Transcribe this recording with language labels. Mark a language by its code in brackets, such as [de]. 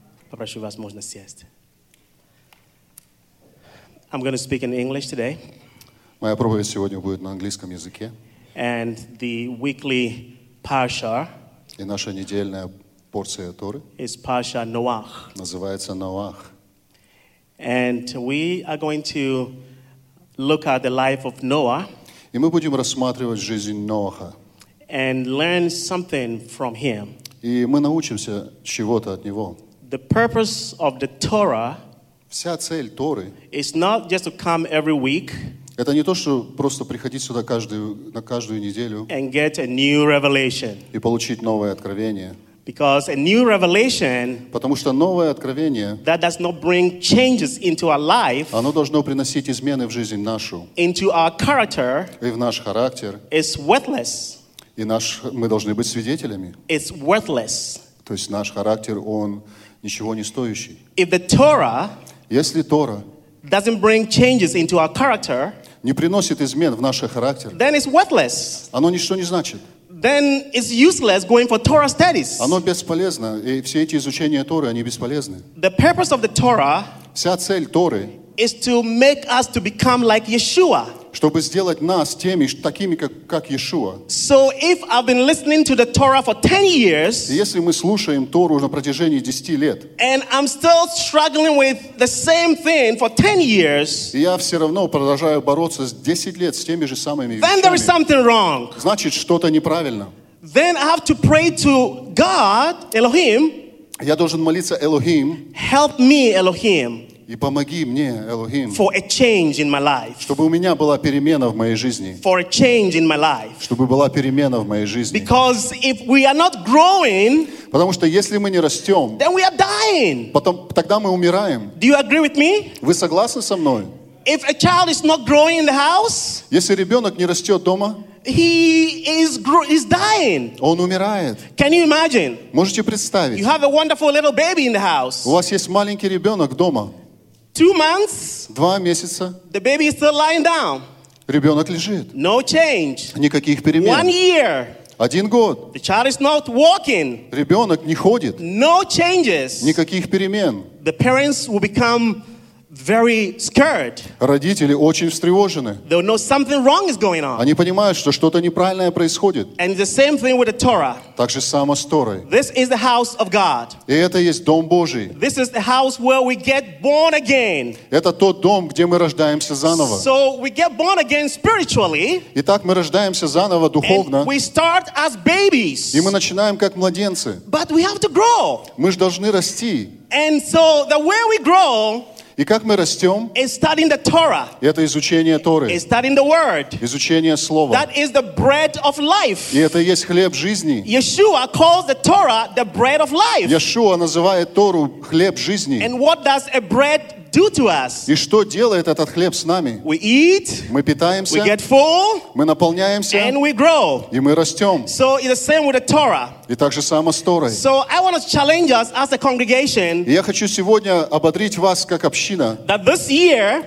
[ru] Попрошу вас, можно сесть. [en] I'm going to speak in English today. [ru] Моя проповедь сегодня будет на английском языке. [en] And the weekly parsha. [ru] И наша недельная порция Торы. [en] Is parsha Noach. [ru] Называется Ноах. [en] And we are going to look at the life of Noah. [ru] И мы будем рассматривать жизнь Ноаха. [en] And learn something from him. [ru] И мы научимся чего-то от него. [en] The purpose of the Torah. [ru] Вся цель Торы. [en] It's not just to come every week. [ru] Это не то, что просто приходить сюда на каждую неделю. [en] And get a new revelation. [ru] И получить новое откровение. [en] Because a new revelation. [ru] Потому что новое откровение. [en] That does not bring changes into our life. [ru] Оно должно приносить измены в жизнь нашу. [en] Into our character. [ru] И в наш характер. [en] Is worthless. [ru] И наш мы должны быть свидетелями. [en] It's worthless. [ru] То есть наш характер он ничего не стоящий. [en] If the Torah. [ru] Если Тора [en] doesn't bring changes into our character, [ru] не приносит измен в наш характер, [en] then it's worthless. [ru] Оно ничто не значит. [en] Then it's useless going for Torah studies. [ru] Оно бесполезно, и все эти изучения Торы, они бесполезны. [en] The purpose of the Torah, [ru] вся цель Торы, [en] is to make us to become like Yeshua. [ru] Чтобы сделать нас теми, такими, как Иешуа. [en] So if I've been listening to the Torah for 10 years, [ru] если мы слушаем Тору на протяжении 10 лет, [en] and I'm still struggling with the same thing for 10 years, [ru] я все равно продолжаю бороться 10 лет с теми же самыми вещами, [en] then there is something wrong. [ru] Значит, что-то неправильно. [en] Then I have to pray to God, Elohim, [ru] я должен молиться Элохим, [en] help me, Elohim. [ru] И помоги мне, Элохим, [en] for a change in my life. [ru] Чтобы у меня была перемена в моей жизни. [en] For a change in my life. [ru] Чтобы была перемена в моей жизни. [en] Because if we are not growing, [ru] потому что если мы не растем, [en] then we are dying. [ru] Потом, тогда мы умираем. [en] Do you agree with me? [ru] Вы согласны со мной? [en] If a child is not growing in the house, [ru] если ребенок не растет дома, [en] he is dying. [ru] Он умирает. [en] Can you imagine? [ru] Можете представить? [en] You have a wonderful little baby in the house. [ru] У вас есть маленький ребенок дома. [en] 2 months. [ru] 2 месяца. [en] The baby is still lying down. [ru] Ребенок лежит. [en] No change. [ru] Никаких перемен. [en] 1 year. [ru] 1 год. [en] The child is not walking. [ru] Ребенок не ходит. [en] No changes. [ru] Никаких перемен. [en] The parents will become very scared. [ru] Родители очень встревожены. [en] They know something wrong is going on. [ru] Они понимают, что что-то неправильное происходит. [en] And the same thing with the Torah. [ru] Так же само с Торой. [en] This is the house of God. [ru] И это есть дом Божий. [en] This is the house where we get born again. [ru] Это тот дом, где мы рождаемся заново. [en] So we get born again spiritually. [ru] Итак, мы рождаемся заново духовно. [en] And we start as babies. [ru] И мы начинаем как младенцы. [en] But we have to grow. [ru] Мы же должны расти. [en] And so the way we grow. [ru] И как мы растем? Это изучение Торы. Изучение Слова. [en] That is the bread of life. [ru] И это есть хлеб жизни. [en] Yeshua calls the Torah the bread of life. [ru] Yeshua называет Тору хлеб жизни. [en] And what does a bread do to us? [ru] И что делает этот хлеб с нами? [en] We eat. [ru] Мы питаемся. [en] We get full. [ru] Мы наполняемся. [en] And we grow. [ru] И мы растем. [en] So it's the same with the Torah. [ru] И так же само с Торой. [en] So I want to challenge us as a congregation. [ru] И я хочу сегодня ободрить вас как община. [en] That this year.